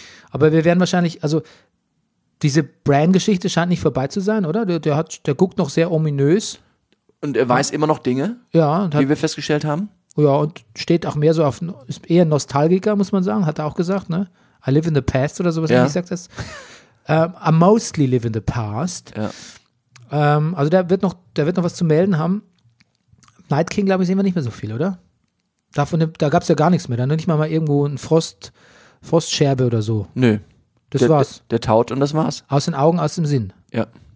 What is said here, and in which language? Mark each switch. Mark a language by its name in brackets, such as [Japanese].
[German] Aber wir werden wahrscheinlich, also diese Bran-Geschichte scheint nicht vorbei zu sein, oder? Der guckt noch sehr ominös. Und er weiß immer noch Dinge, ja, wie wir festgestellt haben. Ja, und steht auch mehr so auf, ist eher Nostalgiker, muss man sagen, hat er auch gesagt, ne? [English] I live in the past [German] oder sowas, wie gesagt das. [English] I mostly live in the past. [German] Ja. Also der wird noch was zu melden haben. Night King, glaube ich, sehen wir nicht mehr so viel, oder? Da gab es ja gar nichts mehr. Da nicht mal irgendwo ein Frostscherbe oder so. Nö. Das der, war's. Der taut und das war's. Aus den Augen, aus dem Sinn. Ja.